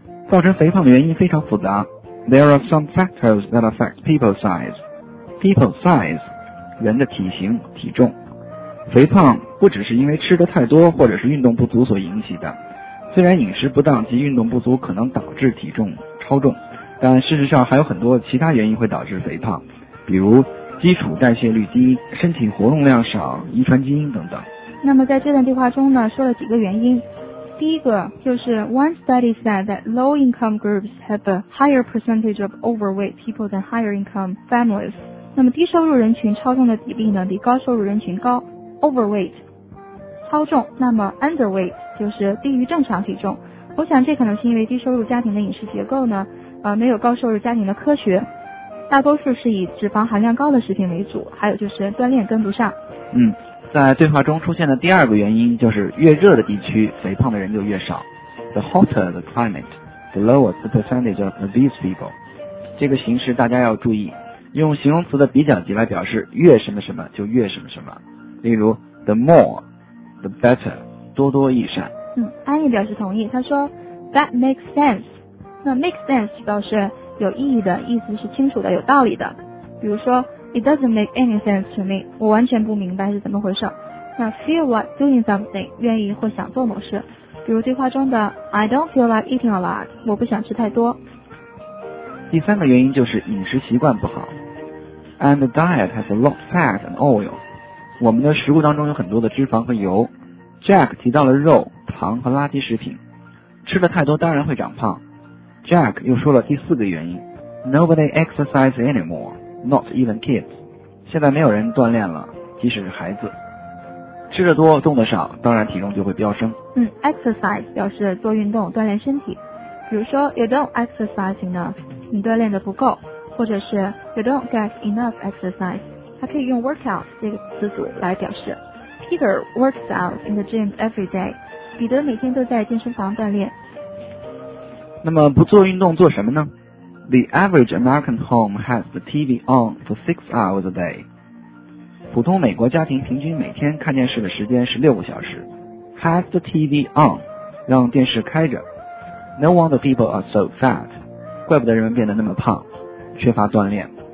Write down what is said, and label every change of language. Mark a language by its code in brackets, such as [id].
[zh] 造成肥胖的原因非常复杂。 [en] There are some factors that affect people's size. People's size, [zh] 人的体型、体重。肥胖不只是因为吃得太多或者是运动不足所引起的。虽然饮食不当及运动不足可能导致体重超重，但事实上还有很多其他原因会导致肥胖，比如基础代谢率低、身体活动量少、遗传基因等等。那么在这段对话中呢，说了几个原因。第一个就是 [en] One study said that low income groups have a higher percentage of overweight people than higher income families. [zh] 那么低收入人群超重的比例呢，比高收入人群高。 Overweight 超重，那么 underweight 就是低于正常体重。我想这可能是因为低收入家庭的饮食结构呢，没有高收入家庭的科学，大多数是以脂肪含量高的食品为主，还有就是锻炼跟不上。嗯，在对话中出现的第二个原因就是越热的地区肥胖的人就越少。 [en] The hotter the climate, the lower the percentage of obese people. [zh] 这个形式大家要注意，用形容词的比较级来表示越什么什么就越什么什么，例如 [en] the more, the better, [zh] 多多益善。嗯，安逸表示同意，他说 [en] that makes sense。 [zh] 那 make sense 表示有意义的，意思是清楚的、有道理的。比如说 [en] ，It doesn't make any sense to me. [zh] 我完全不明白是怎么回事。那 [en] feel like doing something， [zh] 愿意或想做某事。比如对话中的 ， [en] I don't feel like eating a lot. [zh] 我不想吃太多。第三个原因就是饮食习惯不好。 [en] And the diet has a lot of fat and oil. [zh] 我们的食物当中有很多的脂肪和油。 Jack 提到了肉、糖和垃圾食品。吃的太多当然会长胖。 Jack 又说了第四个原因 [en] ，Nobody exercises anymore, not even kids. [zh] 现在没有人锻炼了，即使是孩子。吃得多，动得少，当然体重就会飙升。嗯 ，exercise 表示做运动、锻炼身体。比如说 ， [en] You don't exercise enough, [zh] 你锻炼的不够，或者是 [en] You don't get enough exercise. [zh] 它可以用 workout 这个词组来表示。 [en] Peter works out in the gym every day. [zh] 彼得每天都在健身房锻炼。那么不做运动做什么呢？ [en] The average American home has the TV on for 6 hours a day. [zh] 普通美国家庭平均每天看电视的时间是六个小时。 [en] Has the TV on， [zh] 让电视开着。 [en] No wonder people are so fat， [zh] 怪不得人们变得那么胖，缺乏锻炼。